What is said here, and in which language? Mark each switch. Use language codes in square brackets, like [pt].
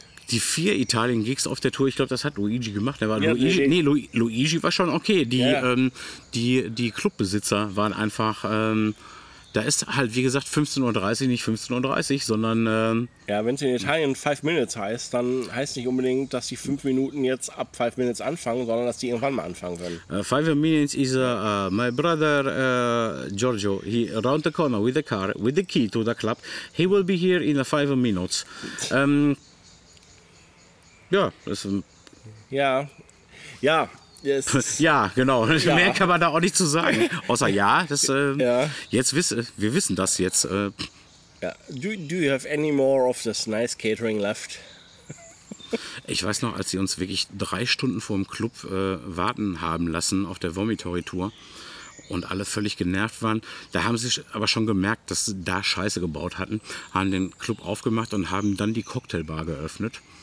[de] die vier Italien-Gigs auf der Tour, ich glaube, das hat Luigi gemacht. Der war ja, Luigi, nee, Luigi war schon okay. Die, ja. Die Clubbesitzer waren einfach... da ist halt, wie gesagt, 15.30 Uhr nicht 15.30 Uhr, sondern... ja, wenn es in Italien 5 Minutes heißt, dann heißt nicht unbedingt, dass die 5 Minuten jetzt ab 5 Minutes anfangen, sondern dass die irgendwann mal anfangen können. [en] 5 Minutes is my brother Giorgio, he round the corner with the car, with the key to the club. He will be here in 5 Minutes. [de] Ja, das ist... Ja, ja. Yes. Ja, genau. Ja. Mehr kann man da auch nicht zu sagen. Außer ja, das, ja. Jetzt wir wissen das jetzt. Ja. [en] Do you have any more of this nice catering left? [de] Ich weiß noch, als sie uns wirklich 3 Stunden vor dem Club warten haben lassen auf der Vomitory-Tour und alle völlig genervt waren, da haben sie aber schon gemerkt, dass sie da Scheiße gebaut hatten, haben den Club aufgemacht und haben dann die Cocktailbar geöffnet.